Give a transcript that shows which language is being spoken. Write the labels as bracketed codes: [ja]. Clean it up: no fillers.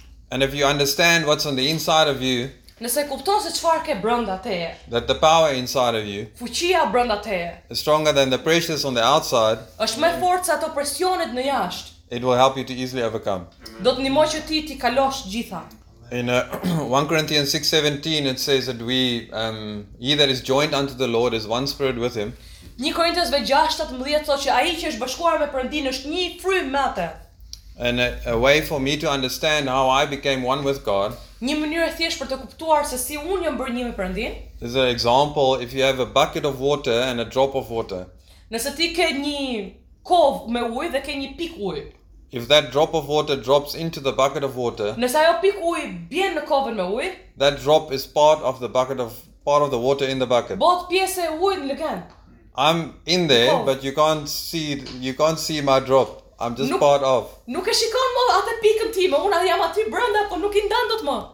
[en] And if you understand what's on the inside of you, [sq] nëse kupton se çfarë ke brenda teje. [en] That the power inside of you. [sq] Fuqia brenda teje. [en] Is stronger than the pressures on the outside. [sq] Është më fortë se ato presionet në jashtë. [en] It will help you to easily overcome. [sq] Do të ndihmoj që ti kalosh gjitha. [en] In 1 Corinthians 6:17 it says that we he that is joined unto the Lord is one spirit with him. [sq] 1 Korintësve 6:17 thotë që ai që është bashkuar me Perëndin është një frymë me atë. [en] And a way for me to understand how I became one with God. [sq] Një mënyrë thjesht për të kuptuar se si unë jam bërë një me Perëndin. [en] As an example, if you have a bucket of water and a drop of water. [sq] Nëse ti ke një kovë me ujë dhe ke një pikë ujë. [en] If that drop of water drops into the bucket of water. [sq] Nëse ajo pikë ujë bjen në kovën me ujë. [en] That drop is part of the water in the bucket. [sq] Bëhet pjesë e ujit në legan. [en] I'm in there, but you can't see my drop. I'm just part of. [sq] Nuk e shikon më atë pikën time, unë jam aty brenda, po nuk I ndan dot më.